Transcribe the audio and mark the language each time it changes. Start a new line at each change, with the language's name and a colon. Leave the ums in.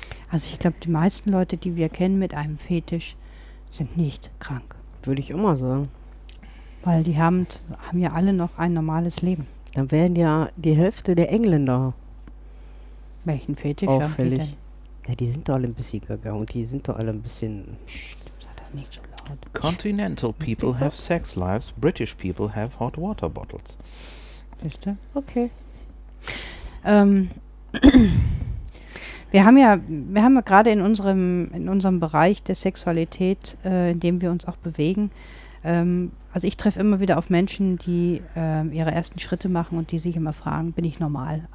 German: Also ich glaube, die meisten Leute, die wir kennen mit einem Fetisch, sind nicht krank. würde ich immer sagen. Weil die haben, t- haben ja alle noch ein normales Leben. Dann wären ja die Hälfte der Engländer Welchen Fetisch haben die auffällig. denn? Ja, die sind doch alle ein bisschen gaga und die sind doch alle ein bisschen. Sei doch nicht so laut.
English: Continental people have sex lives, British people have hot water bottles.
German: Siehst du? Okay. Ähm, wir haben ja, wir haben ja gerade in unserem, in unserem Bereich der Sexualität, äh, in dem wir uns auch bewegen, ähm, also ich treffe immer wieder auf Menschen, die ähm, ihre ersten Schritte machen und die sich immer fragen, bin ich normal?